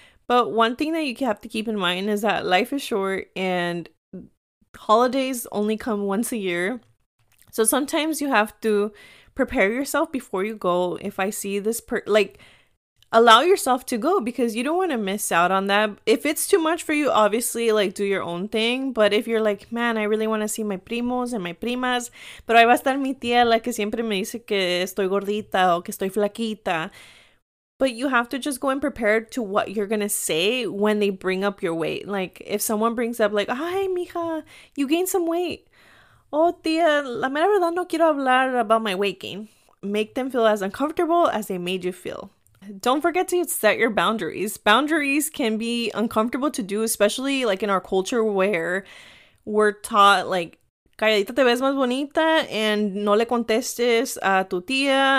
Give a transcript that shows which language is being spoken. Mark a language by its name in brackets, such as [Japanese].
[English] But one thing that you have to keep in mind is that life is short and holidays only come once a year. So sometimes you have to prepare yourself before you go. If I see this allow yourself to go because you don't want to miss out on that. If it's too much for you, obviously, like, do your own thing. But if you're like, man, I really want to see my primos and my primas, [Spanish] pero ahí va a estar mi tía, la que siempre me dice que estoy gordita o que estoy flaquita. [English] But you have to just go and prepare to what you're going to say when they bring up your weight. Like, if someone brings up, like, [Spanish] ay, mija, [English] you gained some weight. [Spanish] Oh, tía, la mera verdad no quiero hablar [English] about my weight gain. Make them feel as uncomfortable as they made you feel. Don't forget to set your boundaries. Boundaries can be uncomfortable to do, especially like in our culture where we're taught like, [Spanish] calladita te ves más bonita [English] and [Spanish] no le contestes a tu tía.